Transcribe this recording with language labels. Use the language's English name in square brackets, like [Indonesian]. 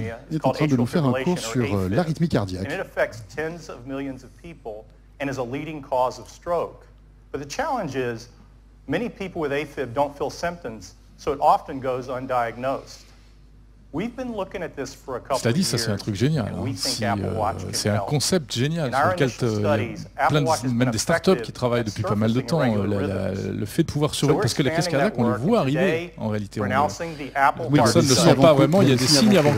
[French] est en train de nous faire un cours sur l'arythmie cardiaque. [English] And it affects tens of millions of people and is a leading cause of stroke. But the challenge is, many people with AFib don't feel symptoms, so it often goes undiagnosed. [French] C'est-à-dire, ça c'est un truc génial. Hein. C'est un concept génial sur lequel même des startups qui travaillent depuis pas mal de temps. Le fait de pouvoir surveiller, parce que la crise cardiaque, on le voit arriver en réalité. Personne ne le sent pas vraiment, il y a des signes avant que.